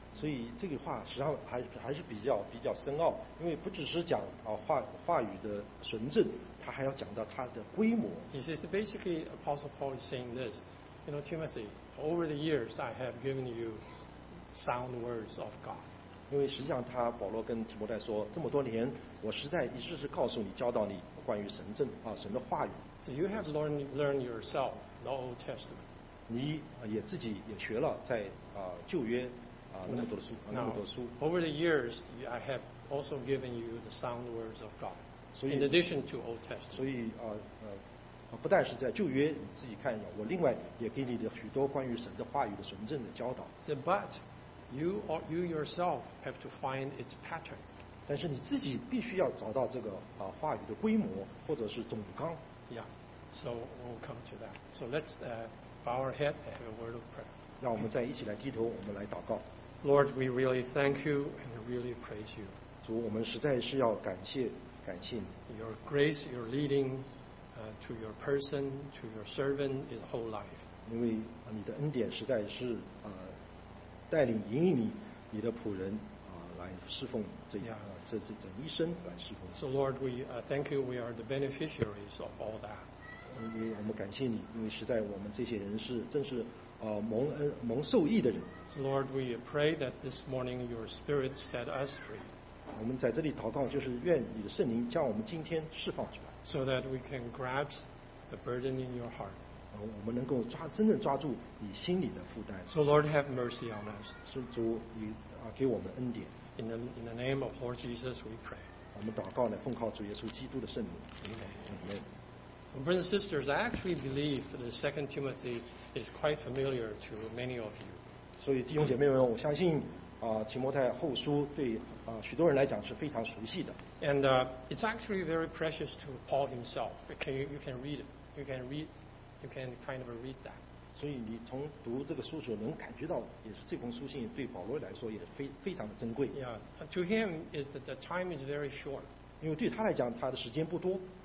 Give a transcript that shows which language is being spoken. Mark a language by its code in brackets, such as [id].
[zh] 所以这个话实际上还是比较深奥，因为不只是讲啊话语的纯正，他还要讲到他的规模。 [en] He says basically Apostle Paul is saying this, you know, Timothy, over the years I have given you sound words of God. [zh] 因为实际上他保罗跟提摩太说，这么多年我实在一直是告诉你教导你关于神正啊神的话语。 [en] So you have learned yourself the Old Testament. [zh] 你也自己也学了在啊旧约。那么多书 [en] Now, over the years I have also given you the sound words of God in addition to Old Testament [zh] 所以不但是在旧约你自己看一下，我另外也给你的许多关于神的话语的纯正的教导。 [en] So, but you yourself have to find its pattern [zh] 但是你自己必须要找到这个话语的规模或者是总纲。 [en] Yeah, so we'll come to that. So let's bow our head and have a word of prayer. [zh] 让我们再一起来低头，我们来祷告。 [en] Lord, we really thank you and really praise you. [zh] 主，我们实在是要感谢你。 [en] Your grace, your leading, to your person, to your servant, is whole life. [zh] 因为你的恩典实在是带领引领你的仆人来侍奉这、 yeah. 这整一生来侍奉。 [en] So Lord, we thank you. We are the beneficiaries of all that. [zh] 因为我们感谢你，因为实在我们这些人是正是。蒙受益的人。 [en] So Lord, we pray that this morning Your Spirit set us free. [zh] 我们在这里祷告，就是愿你的圣灵将我们今天释放出来。 [en] So that we can grasp the burden in Your heart. [zh] 我们能够真正抓住你心里的负担。 [en] So Lord, have mercy on us. [zh] 是主，你给我们恩典。 [en] In the name of Lord Jesus, we pray. [zh] 我们祷告呢，奉靠主耶稣基督的圣名。 [en] Amen. Brothers and sisters, I actually believe that the Second Timothy is quite familiar to many of you. [zh] 所以弟兄姐妹们，我相信提摩太后书对许多人来讲是非常熟悉的。 [en] And it's actually very precious to Paul himself. You can read it. You can kind of read that. [zh] 所以你从读这个书所能感觉到，也是这封书信对保罗来说也非常的珍贵。 [en] Yeah, to him, the time is very short. [zh] 因为对他来讲，他的时间不多。